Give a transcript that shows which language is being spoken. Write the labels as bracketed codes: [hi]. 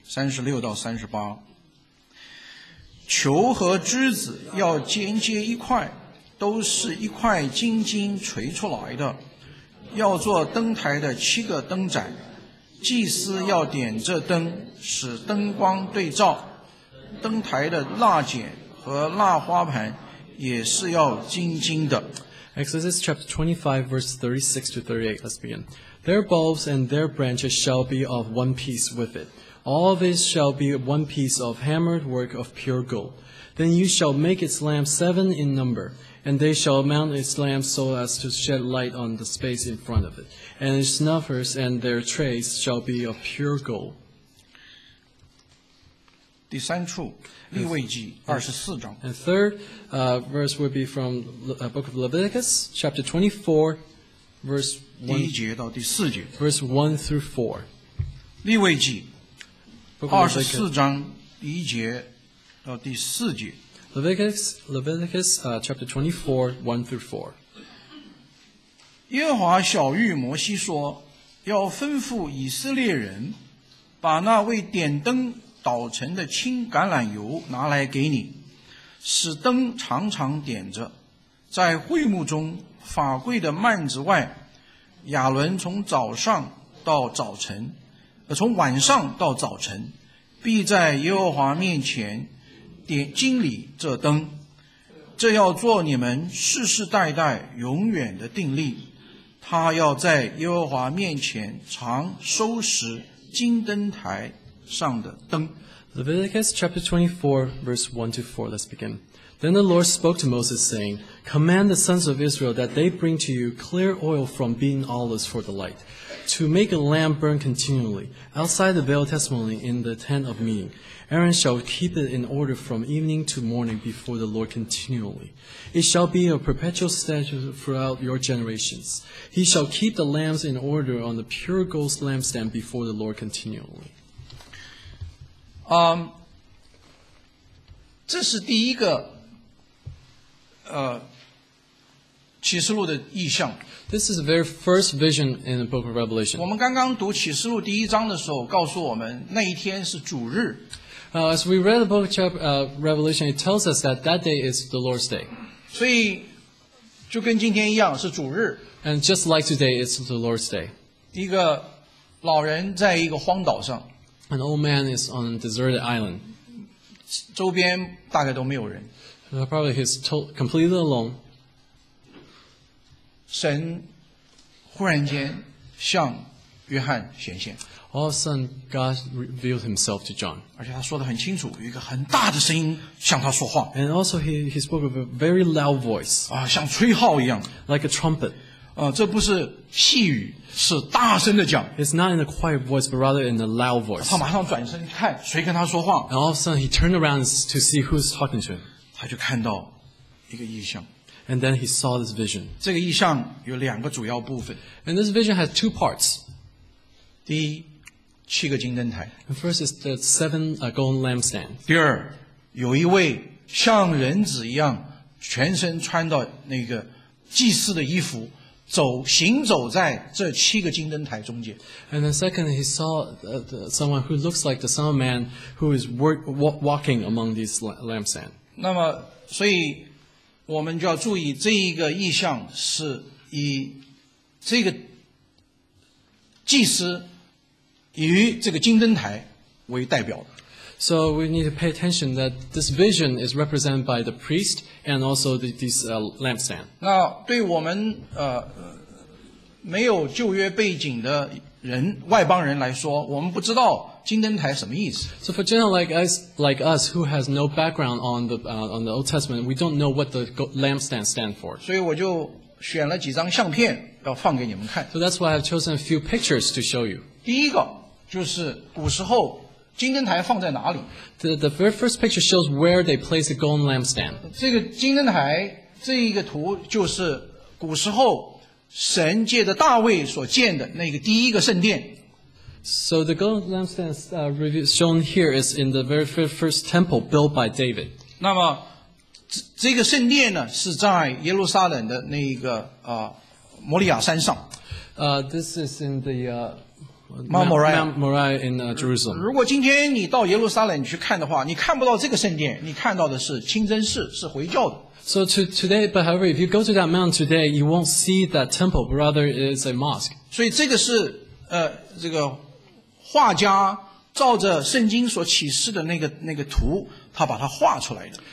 [zh] 36-38，球和枝子要连接一块，都是一块金金锤出来的，要做灯台的七个灯盏，祭司要点这灯，使灯光对照，灯台的蜡剪和蜡花盘也是要金金的。 [en] Exodus chapter 25, verse 36 to 38, let's begin. Their bulbs and their branches shall be of one piece with it. All this shall be one piece of hammered work of pure gold. Then you shall make its lamps 7 in number, and they shall mount its lamps so as to shed light on the space in front of it. And its snuffers and their trays shall be of pure gold. [zh] 第三处，利未记24章。 [en] And third, verse would be from the book of Leviticus, chapter 24, verse 1. [zh] 第一节到第四节。 [en] Verse 1 through 4. [zh] 利未记24章第一节到第四节。 [en] Leviticus, chapter 24, 1 through 4. [zh] 耶和华晓谕摩西说，要吩咐以色列人，把那位点灯捣成的青橄榄油拿来给你，使灯常常点着。在会幕中法柜的幔子外，亚伦从早上到早晨，从晚上到早晨，必在耶和华面前点经理这灯。这要做你们世世代代永远的定例，他要在耶和华面前常收拾金灯台上的灯。 [en] Leviticus chapter 24, verse 1 to 4. Let's begin. Then the Lord spoke to Moses, saying, Command the sons of Israel that they bring to you clear oil from beaten olives for the light, to make a lamp burn continually outside the veil testimony in the tent of meeting. Aaron shall keep it in order from evening to morning before the Lord continually. It shall be a perpetual statute throughout your generations. He shall keep the lamps in order on the pure gold lampstand before the Lord continually. [zh] 这是第一个启示录的意象。 [en] This is the very first vision in the book of Revelation. [zh] 我们刚刚读启示录第一章的时候告诉我们那一天是主日。 [en] As we read the book of Revelation, it tells us that that day is the Lord's day. [zh] 所以就跟今天一样是主日。 [en] And just like today, it's the Lord's day. [zh] 一个老人在一个荒岛上。 [en] An old man is on a deserted island. [zh] 周边大概都没有人。 [en] Probably he's completely alone. [zh] 神忽然间向约翰显现。 [en] All of a sudden, God revealed himself to John. [zh] 而且他说得很清楚，有一个很大的声音向他说话。 [en] And also he spoke with a very loud voice. [zh] 啊，像吹号一样。 [en] Like a trumpet. [zh] 这不是细语。是大声的讲。 [en] It's not in a quiet voice, but rather in a loud voice. [zh] 他马上转身看谁跟他说话。 [en] And all of a sudden, he turned around to see who's talking to him. [zh] 他就看到一个异象。 [en] And then he saw this vision. [zh] 这个异象有两个主要部分。 [en] And this vision has two parts. [zh] 第一，七个金灯台。 [en] And first is the 7 golden lampstand. [zh] 第二，有一位像人子一样，全身穿到那个祭司的衣服。行走在这七个金灯台中间。 [en] And then second, he saw someone who looks like the Son of Man who is walking among these lampstands. [zh] 那么，所以我们就要注意这一个意象是以这个祭司与这个金灯台为代表的。 [en] So we need to pay attention that this vision is represented by the priest and also lampstand. [zh] 那对我们没有旧约背景的人外邦人来说，我们不知道金灯台什么意思。 [en] So for general like us who has no background on the Old Testament, we don't know what the lampstand stand for. [zh] 所以我就选了几张相片要放给你们看。 [en] So that's why I've chosen a few pictures to show you. [zh] 第一个就是古时候金灯台放在哪里？ [en] The very first picture shows where they place the golden lampstand. [zh] 这个金灯台这一个图就是古时候神借着大卫所建的那个第一个圣殿。 [en] So the golden lampstand shown here is in the very first temple built by David. [zh] 那么这个圣殿呢是在耶路撒冷的那一个摩利亚山上。 [en] This is in the Mount Moriah in Jerusalem. [zh] 如果今天你到耶路撒冷去看的话，你看不到这个圣殿，你看到的是清真寺，是回教的。 [en] So today, but however, if you go to that mount today, you won't see that temple, but rather it's a mosque. [zh] 所以这个是这个画家照着圣经所启示的那个图，他把它画出来的。